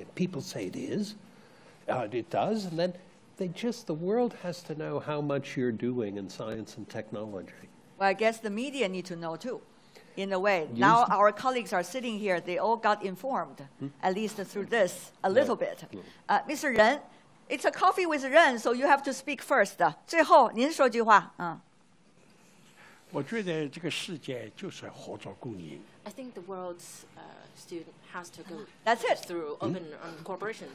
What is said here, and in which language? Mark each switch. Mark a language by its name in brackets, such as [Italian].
[English] And people say it is. It does. And then the world has to know how much you're doing in science and technology. Well, I guess the media need to know too, in a way. Now our colleagues are sitting here, they all got informed, at least through this, a little bit. Yeah. Mr. Ren, it's a coffee with Ren, so you have to speak first. [Chinese] 最后,您说句话。我觉得这个世界就是合作共赢。 [English] I think the world's student has to go through open cooperation.